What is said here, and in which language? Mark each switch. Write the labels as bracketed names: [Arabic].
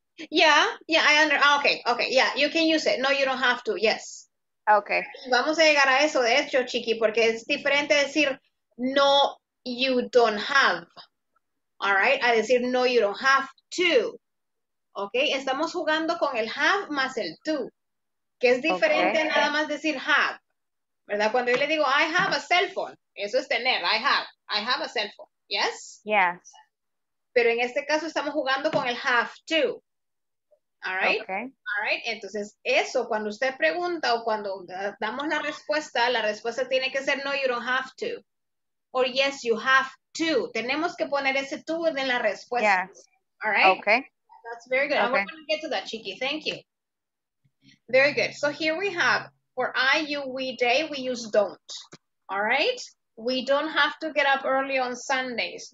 [English] Yeah, I understand. Okay, yeah, you can use it. No, you don't have to, yes. Okay. [Spanish] Vamos a llegar a eso, de hecho, Chiqui, porque es diferente decir, [English] no, you don't have, all right? [Spanish] A decir, [English] no, you don't have to, okay? [Spanish] Estamos jugando con el have más el to, que es diferente okay. Nada más decir have, ¿verdad? Cuando yo le digo, [English] I have a cell phone, [Spanish] eso es tener, I have a cell phone, [English] yes? Yes. [Spanish] Pero en este caso estamos jugando con el have to. [English] All right. Okay. All right. [Spanish] Entonces, eso, cuando usted pregunta o cuando damos la respuesta tiene que ser [English] no, you don't have to. Or yes, you have to. [Spanish] Tenemos que poner ese to en la respuesta. [English] Yes. All right. Okay. That's very good. Okay. I'm going to get to that, Chiqui. Thank you. Very good. So here we have for I, you, we, they, we use don't. All right. We don't have to get up early on Sundays.